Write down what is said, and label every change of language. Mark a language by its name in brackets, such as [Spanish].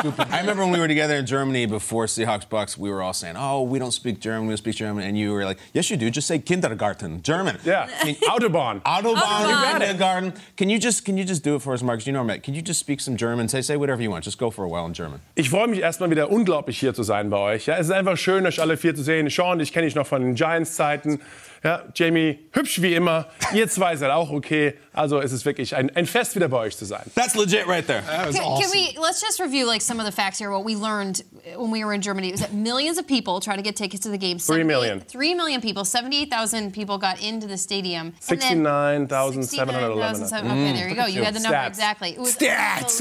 [English] I remember when we were together in Germany before Seahawks Bucks, we were all saying, oh, we don't speak German, we don't speak German. And you were like, yes, you do. Just say Kindergarten, German. Yeah. Autobahn. Autobahn. Autobahn. Kindergarten. Can you just do it for us, Marcus? You know, Matt, can you just speak some German? Say whatever you want. Just go for a while in German. [German] Ich freue mich erstmal wieder unglaublich hier zu sein bei euch. Ja, es ist einfach schön, euch alle vier zu sehen. Sean, ich kenne dich noch von den Giants-Zeiten. Ja, Jamie, hübsch wie immer. Ihr zwei seid auch okay. Also es ist wirklich ein Fest, wieder bei euch zu sein. [English] That's legit right there. Let's just review like some of the facts here. What we learned when we were in Germany was that millions of people trying to get tickets to the game. 3 million. 3 million people. 78,000 people got into the stadium. 69,711. Okay, there you go. You had the number stats. Exactly. It was stats.